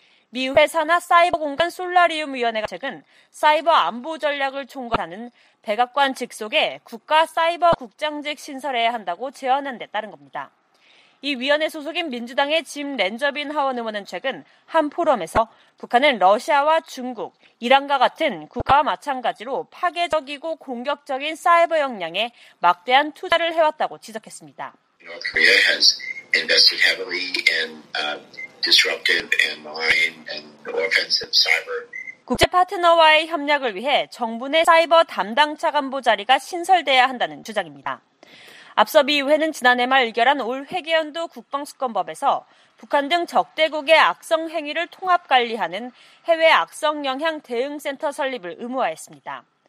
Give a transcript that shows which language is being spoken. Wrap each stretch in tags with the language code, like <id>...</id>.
<ko>미 의회 산하 사이버 공간 솔라리움 위원회가 최근 사이버 안보 전략을 총괄하는 백악관 직속에 국가 사이버 국장직 신설해야 한다고 제안한 데 따른 겁니다. 이 위원회 소속인 민주당의 짐 렌저빈 하원 의원은 최근 한 포럼에서 북한은 러시아와 중국, 이란과 같은 국가와 마찬가지로 파괴적이고 공격적인 사이버 역량에 막대한 투자를 해왔다고 지적했습니다.</ko> <en>Korea has invested heavily in disruptive and malign and offensive cyber.</en> <ko>국제 파트너와의 협력을 위해 정부 내 사이버 담당 차관보 자리가 신설돼야 한다는 주장입니다. 앞서 미 의회는 지난해 말 의결한 올 회계연도 국방수권법에서 북한 등 적대국의 악성 행위를 통합 관리하는 해외 악성 영향 대응센터 설립을 의무화했습니다.</ko>